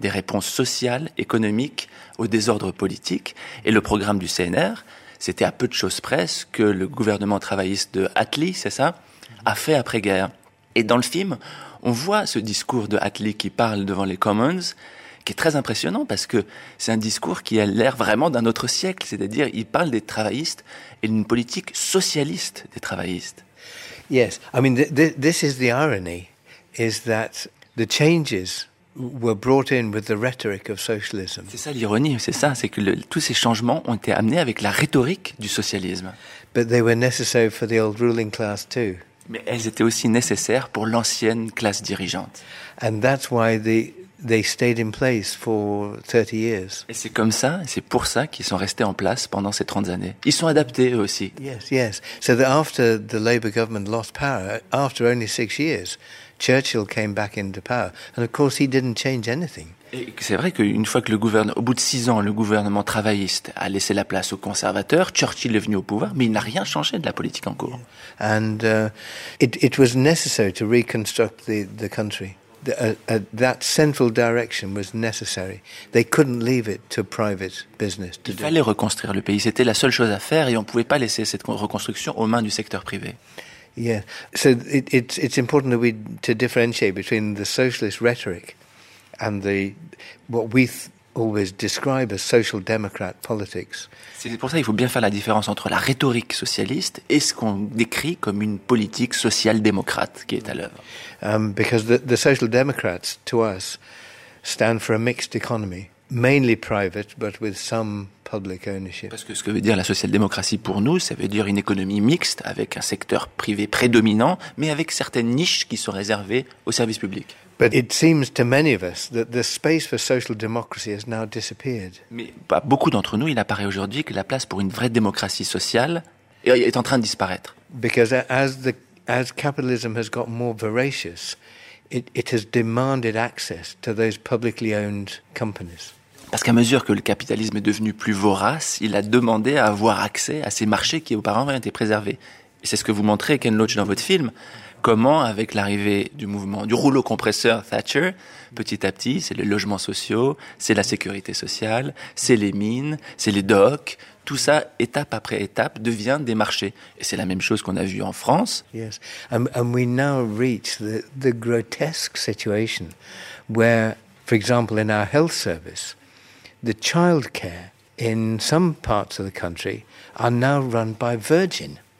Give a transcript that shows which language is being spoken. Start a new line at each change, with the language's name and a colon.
French: Des réponses sociales, économiques, au désordre politique, et le programme du CNR, c'était à peu de choses près que le gouvernement travailliste de Attlee, c'est ça, a fait après-guerre. Et dans le film, on voit ce discours de Attlee qui parle devant les Commons, qui est très impressionnant parce que c'est un discours qui a l'air vraiment d'un autre siècle. C'est-à-dire, il parle des travaillistes et d'une politique socialiste des travaillistes.
English: Yes, I mean, this is the irony, is that the changes were brought in with the rhetoric of socialism.
French: C'est ça l'ironie, c'est ça, c'est que tous ces changements ont été amenés avec la rhétorique du socialisme.
English: But they were necessary for the old ruling class too.
French: Mais elles étaient aussi nécessaires pour l'ancienne classe dirigeante.
English: And that's why they stayed in place for 30 years.
French: Et c'est comme ça, c'est pour ça qu'ils sont restés en place pendant ces 30 années. Ils sont adaptés eux aussi.
English: Yes, yes. So that after the Labour government lost power, after only 6 years, Churchill came back into power, and of course he didn't change anything.
French: Et c'est vrai qu'une fois que au bout de 6 ans, le gouvernement travailliste a laissé la place aux conservateurs, Churchill est venu au pouvoir, mais il n'a rien changé de la politique en cours.
English: Yeah. And it was necessary to reconstruct the country. That central direction was necessary. They couldn't leave it to private business to do.
French: Il fallait reconstruire le pays. C'était la seule chose à faire, et on ne pouvait pas laisser cette reconstruction aux mains du secteur privé.
English: Yeah, so it's important that to differentiate between the socialist rhetoric and what we always describe as social democrat politics.
French: C'est pour ça qu'il faut bien faire la différence entre la rhétorique socialiste et ce qu'on décrit comme une politique social-démocrate qui est à l'œuvre.
English: Because the social democrats to us stand for a mixed economy, mainly private but with some public ownership.
French: Parce que ce que veut dire la social-démocratie pour nous, ça veut dire une économie mixte avec un secteur privé prédominant mais avec certaines niches qui sont réservées au service public.
English: But it seems to many of us that the space for social democracy has now disappeared.
French: Mais à beaucoup d'entre nous, il apparaît aujourd'hui que la place pour une vraie démocratie sociale est en train de disparaître.
English: Because as capitalism has got more voracious, it has demanded access to those publicly owned companies.
French: Parce qu'à mesure que le capitalisme est devenu plus vorace, il a demandé à avoir accès à ces marchés qui auparavant étaient préservés. Et c'est ce que vous montrez, Ken Loach, dans votre film. Comment, avec l'arrivée du mouvement, du rouleau compresseur Thatcher, petit à petit, c'est les logements sociaux, c'est la sécurité sociale, c'est les mines, c'est les docks, tout ça, étape après étape, devient des marchés. Et c'est la même chose qu'on a vu en France.
English: Yes, and we now reach the grotesque situation where, for example, in our health service, the childcare in some parts of the country are now run by Virgin.